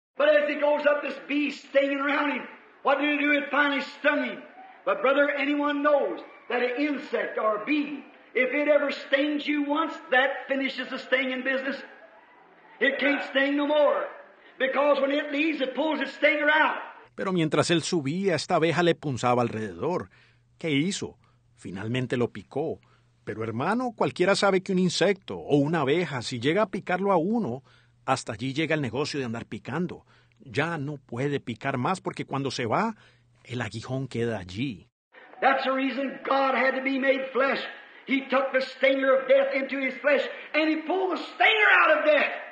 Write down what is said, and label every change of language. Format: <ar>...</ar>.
<en>But as he goes up, this beast staying around him, what did he do? It finally stung him. But brother, anyone knows that an insect or a bee, if it ever stings you once, that finishes the sting in business. It can't sting no more. Because when it leaves, it pulls its stinger out.</en> <es>Pero mientras él subía, esta abeja le punzaba alrededor. ¿Qué hizo? Finalmente lo picó. Pero hermano, cualquiera sabe que un insecto o una abeja, si llega a picarlo a uno, hasta allí llega el negocio de andar picando. Ya no puede picar más porque cuando se va, el aguijón queda allí.</es> <en>That's the reason God had to be made flesh. He took the stinger of death into his flesh and he pulled the stinger out of death.</en>